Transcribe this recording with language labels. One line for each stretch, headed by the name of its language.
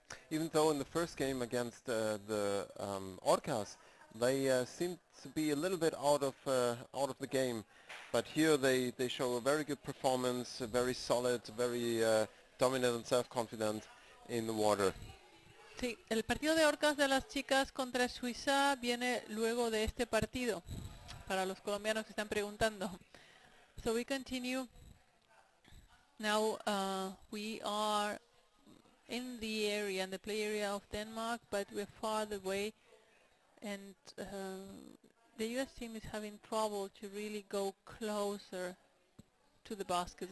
English: Even though in the first game against the Orcas, they seemed to be a little bit out of the game. But here they show a very good performance, very solid, very dominant and self-confident in the water.
Spanish: Sí, el partido de Orcas de las chicas contra Suiza viene luego de este partido, para los colombianos que están preguntando.
English: So we continue. Now we are in the area, in the play area of Denmark, but we're far away. And the U.S. team is having trouble to really go closer to the basket.